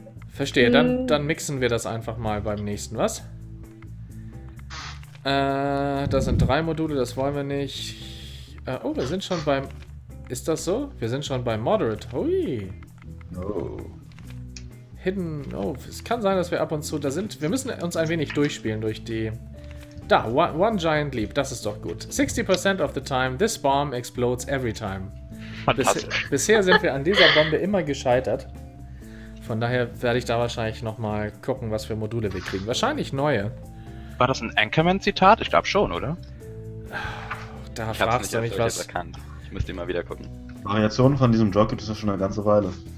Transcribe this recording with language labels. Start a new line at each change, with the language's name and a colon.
German: Verstehe, dann mixen wir das einfach mal beim nächsten, was? Das sind 3 Module, das wollen wir nicht. Oh, wir sind schon beim... Ist das so? Wir sind schon beim Moderate. Hui. Oh. Hidden... Oh, es kann sein, dass wir ab und zu da sind. Wir müssen uns ein wenig durchspielen durch die... Da, One Giant Leap. Das ist doch gut.
English: 60% of the time, this bomb explodes every time.
German: Bisher sind wir an dieser Bombe immer gescheitert. Von daher werde ich da wahrscheinlich nochmal gucken, was für Module wir kriegen. Wahrscheinlich neue. War das ein Anchorman-Zitat? Ich glaube schon, oder? Da fragst du mich was. Ich müsste immer wieder gucken. Variationen von diesem Joke gibt es ja schon eine ganze Weile.